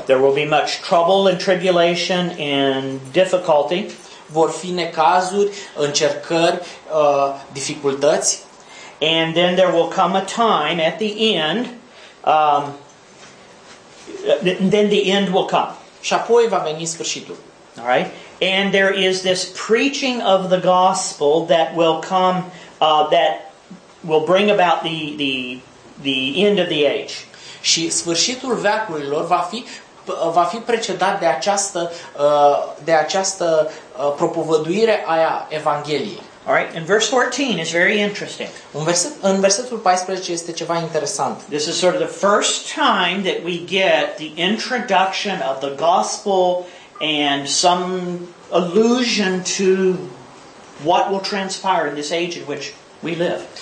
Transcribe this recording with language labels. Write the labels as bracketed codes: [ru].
[en] There will be much trouble and tribulation and difficulty. [ro] Vor fi necazuri, încercări, dificultăți. [en] And then there will come a time at the end, then the end will come. [ro] Și apoi va veni sfârșitul. [en] All right? And there is this preaching of the gospel that will come, that will bring about the end of the age. [ro] Și sfârșitul veacurilor va fi precedat de această, propovăduire a Evangheliei. [en] All right, and verse 14 is very interesting. [ro] În versetul 14 este ceva interesant. [en] This is sort of the first time that we get the introduction of the gospel and some allusion to what will transpire in this age in which we live.